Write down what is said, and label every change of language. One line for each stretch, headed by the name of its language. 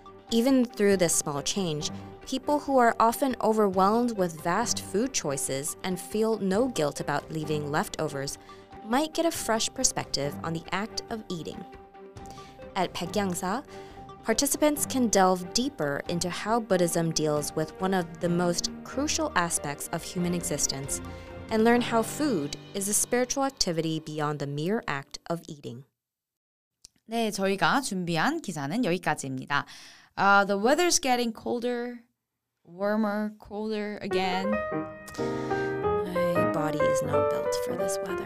English: Even through this small change, people who are often overwhelmed with vast food choices and feel no guilt about leaving leftovers might get a fresh perspective on the act of eating. At Hek Yangsa, participants can delve deeper into how Buddhism deals with one of the most crucial aspects of human existence and learn how food is a spiritual activity beyond the mere act of eating.
Korean: 네, 저희가 준비한 기사는 여기까지입니다.
English: The weather's getting colder, warmer, colder again. My body is not built for this weather.